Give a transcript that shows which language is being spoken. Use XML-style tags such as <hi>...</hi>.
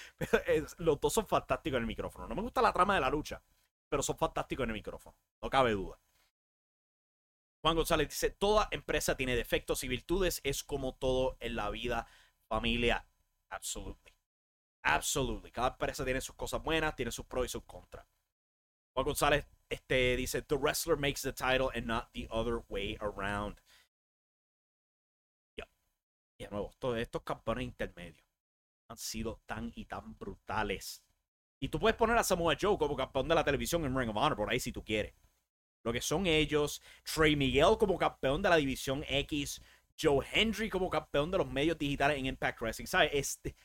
<es>Pero los dos son fantásticos en el micrófono. No me gusta la trama de la lucha, pero son fantásticos en el micrófono. No cabe duda. Juan González dice, toda empresa tiene defectos y virtudes. Es como todo en la vida, familia. Absolutamente. Absolutely. Cada empresa tiene sus cosas buenas, tiene sus pros y sus contras. Juan González dice,</es> <en>the wrestler makes the title and not the other way around.</en> <es>Yeah. Y de nuevo, todos estos campeones intermedios han sido tan y tan brutales. Y tú puedes poner a Samoa Joe como campeón de la televisión en Ring of Honor, por ahí si tú quieres. Lo que son ellos, Trey Miguel como campeón de la división X, Joe Hendry como campeón de los medios digitales en Impact Wrestling, ¿sabes?</es>